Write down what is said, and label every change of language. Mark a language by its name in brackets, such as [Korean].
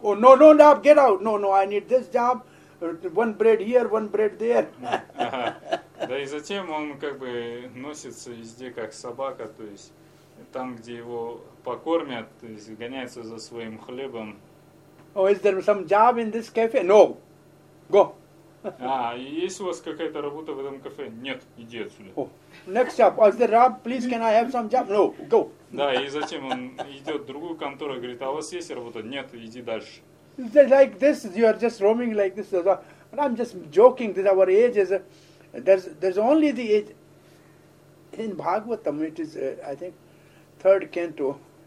[English] Oh, no, get out. No, I need this job. One bread here, one bread there. [Russian] Да и затем он как бы носится везде как собака, то есть там, где его покормят, то есть гоняется за своим хлебом. [English] Oh, is there some job in this cafe? No. Go. [Russian] Есть у вас какая-то работа в этом кафе? Нет, иди отсюда. [English] Oh. Next job. Is there job? Please, can I have some job? No. Go. [Russian] Да, и затем он идет в другую контору и говорит, а у вас есть работа? Нет, иди дальше. [English] Like this, you are just roaming like this. But I'm just joking that our age is... There's only the age... In Bhagavatam, it is, I think, third canto.